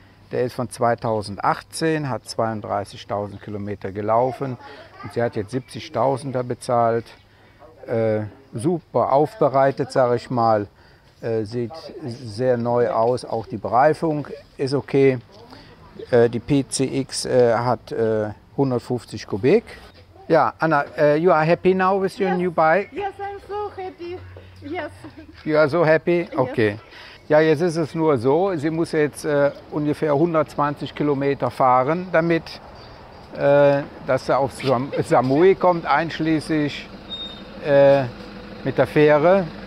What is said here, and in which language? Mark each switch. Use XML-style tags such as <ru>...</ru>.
<de>Der ist von 2018, hat 32.000 Kilometer gelaufen und sie hat jetzt 70.000 bezahlt. Super aufbereitet, sage ich mal. Sieht sehr neu aus. Auch die Bereifung ist okay. Die PCX hat 150 Kubik.</de> <en>Yeah, Anna, you are happy now with your new bike? Yes, I'm so happy. Yes. You are so happy? Okay.</en> <de>Ja, jetzt ist es nur so, sie muss jetzt ungefähr 120 Kilometer fahren, damit dass sie auf Samui kommt, einschließlich mit der Fähre.</de>